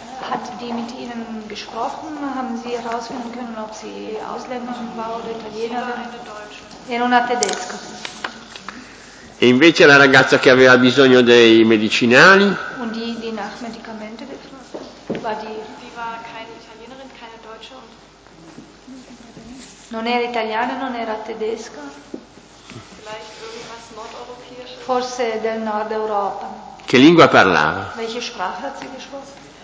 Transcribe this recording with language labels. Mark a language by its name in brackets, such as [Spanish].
[German] Hat die mit Ihnen gesprochen? Haben Sie herausfinden können, ob sie Ausländerin war oder Italienerin? [Italian] Era una tedesca. E invece la ragazza che aveva bisogno dei medicinali? [German] Und die nach Medikamente war die? Sie war keine Italienerin, keine Deutsche. [Italian] Non era italiana, non era tedesca? [German] Vielleicht irgendwas nordeuropäisches? [Italian] Forse del Nord Europa. Che lingua parlava? [German] Welche Sprache hat sie gesprochen?